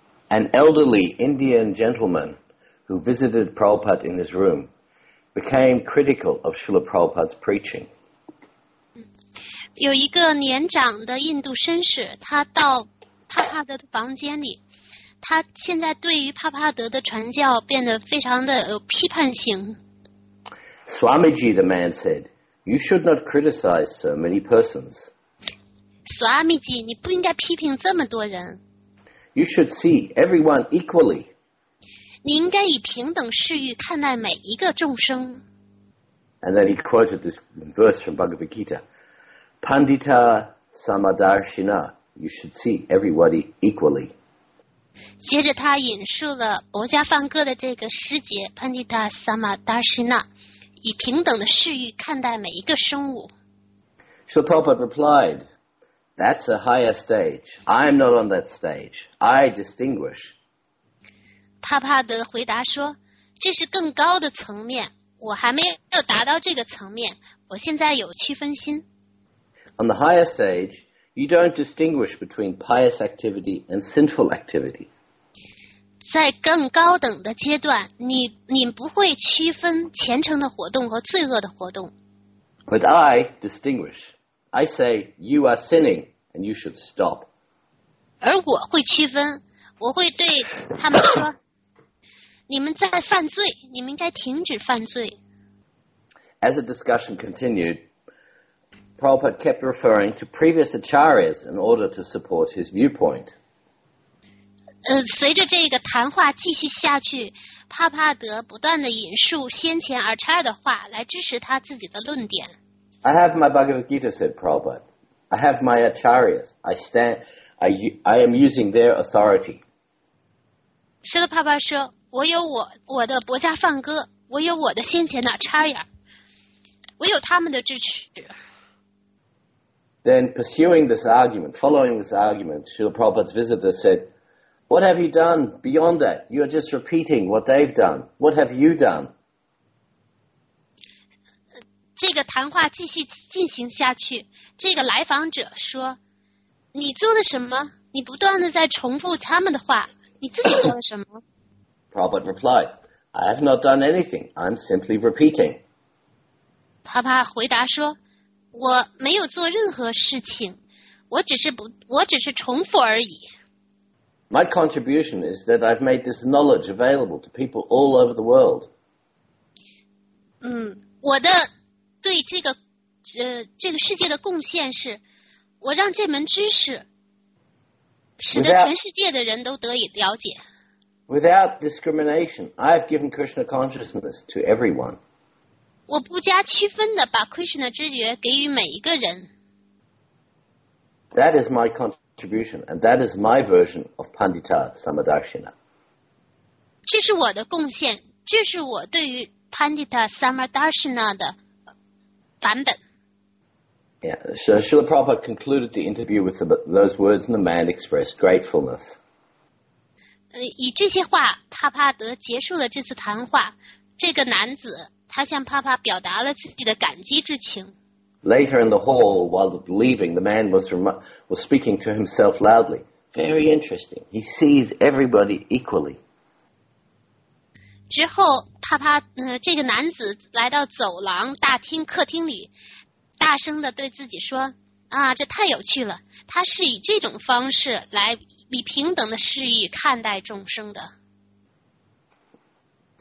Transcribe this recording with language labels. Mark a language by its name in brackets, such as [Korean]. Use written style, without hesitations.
[English] An elderly Indian gentleman who visited Prabhupada in his room became critical of Srila Prabhupada's preaching. [Chinese] 有一个年长的印度绅士，他到帕帕德的房间里。他现在对于帕帕德的传教变得非常的有批判性。 [English] Swamiji, the man said, you should not criticize so many persons. [Chinese] Swamiji, 你不应该批评这么多人。 [English] You should see everyone equally. [Chinese] 你应该以平等视域看待每一个众生。 [English] And then he quoted this verse from Bhagavad Gita. Pandita Samadarshina, you should see everybody equally. [Chinese] 接着他引述了博家梵歌的这个诗节 Pandita Samadarshina 以平等的视域看待每一个生物。 [English] Srila Prabhupada replied, That's a higher stage. I'm not on that stage. I distinguish. [Chinese] 帕帕德回答说，这是更高的层面，我还没有达到这个层面，我现在有区分心。 [English] On the higher stage,You don't distinguish between pious activity and sinful activity. [Chinese] 在更高等的阶段，你不会区分虔诚的活动和罪恶的活动。 [English] But I distinguish. I say you are sinning and you should stop. [Chinese] 而我会区分，我会对他们说，你们在犯罪，你们应该停止犯罪。 [English] As the discussion continued,Prabhupada kept referring to previous acharyas in order to support his viewpoint. [Chinese] 随着这个谈话继续下去，帕帕德不断地引述先前阿查尔的话来支持他自己的论点。 [English] I have my Bhagavad Gita, said Prabhupada. I have my acharyas. I am using their authority. [Chinese] 是的，帕帕说，我的博家梵歌，我有我的先前的阿查尔，我有他们的支持。 [English] Then pursuing this argument, following this argument, Srila Prabhupada's visitor said, What have you done beyond that? You are just repeating what they've done. What have you done? [Chinese] 这个谈话继续进行下去。这个来访者说，你做了什么？你不断地在重复他们的话。你自己做了什么？ [English] Prabhupada replied, I have not done anything. I'm simply repeating. [Chinese] 帕帕回答说，我没有做任何事情，我只是重复而已。 [English] My contribution is that I've made this knowledge available to people all over the world. [Chinese] 我的对这个世界的贡献是，我让这门知识使得全世界的人都得以了解。 [English] Without discrimination, I have given Krishna consciousness to everyone. [Chinese] 我不加区分的把 Krishna 知觉给予每一个人。 [English] That is my contribution, and that is my version of Pandita Samadarshina. [Chinese] 这是我的贡献，这是我对于 Pandita Samadarshina 的版本。 [English] Yeah, so Srila Prabhupada concluded the interview with those words, and the man expressed gratefulness. [Chinese] 以这些话，帕帕德结束了这次谈话。这个男子。他向帕帕表达了自己的感激之情。 [English] Later in the hall, while leaving, the man was speaking to himself loudly. Very interesting. He sees everybody equally. [Chinese] 之后，帕帕，这个男子来到走廊、大厅、客厅里，大声地对自己说：“啊，这太有趣了！他是以这种方式来以平等的视域看待众生的。”